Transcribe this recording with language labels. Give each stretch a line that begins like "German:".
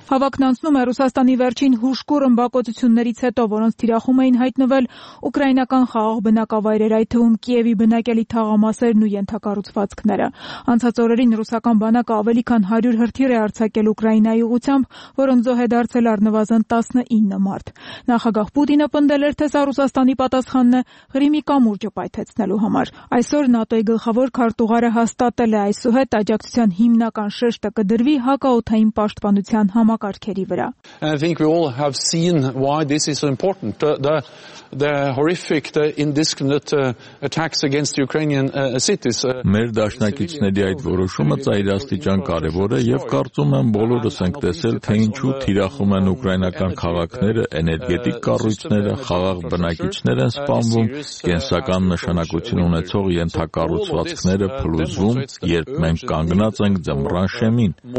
Armenian: Հավակնանցնում է Ռուսաստանի վերջին հուշկուր ըմբակոծություններից հետո, որոնց թիրախում էին հայտնվել ուկրաինական խաղաղ բնակավայրեր, այդ թվում Կիևի բնակելի թաղամասերն ու ենթակառուցվածքները։ Անցած օրերին ռուսական բանակը ավելի քան 100 հրթիռ է արձակել Ուկրաինայի ուղությամբ, որոնց զոհ է դարձել առնվազն 19 մարդ։ Նախագահ Պուտինը պնդել էր, թե սա Ռուսաստանի պատասխանն է Ղրիմի կամուրջը պայթեցնելու համար։ Այսօր ՆԱՏՕ-ի գլխավոր քարտուղարը հաստատել է, այսուհետ աջակցության հիմնական շեշտը կդրվի հակաօթային պաշտպանության համակարգերի վրա։
English: I think we all have seen why this is so important. The horrific, the indiscriminate attacks against Ukrainian cities.
Armenian: Մեր դաշնակիցների այդ որոշումը ծայրաստիճան կարևոր է եւ կարծում եմ բոլորս ենք տեսել, թե ինչու թիրախում են ուկրաինական քաղաքները, էներգետիկ կառույցները, խաղաղ բնակիչներ են սպանվում, կենսական նշանակություն ունեցող ենթակառուցվածքները փլուզվում, երբ մենք կանգնած ենք ձմռան շեմին։